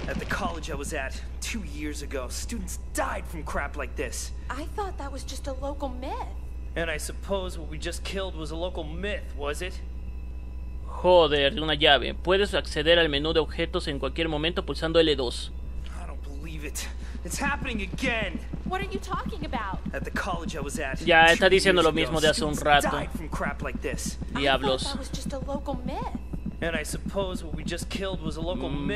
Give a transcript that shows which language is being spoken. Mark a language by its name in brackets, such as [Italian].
[English] At the college I was at 2 years ago, students died from crap like this. I thought that was just a local myth. And I suppose what we just killed was a local myth, was it? [Spanish] Joder, una llave. Puedes acceder al menú de objetos en cualquier momento pulsando L2. [English] I don't believe it. It's happening again. What are you talking about? At the college I was at. [Spanish] Ya está diciendo lo mismo de hace un rato. [English] Died from crap like this. [Spanish] Diablos. [English] I thought that was just a local myth. And I suppose what we just killed was a local myth.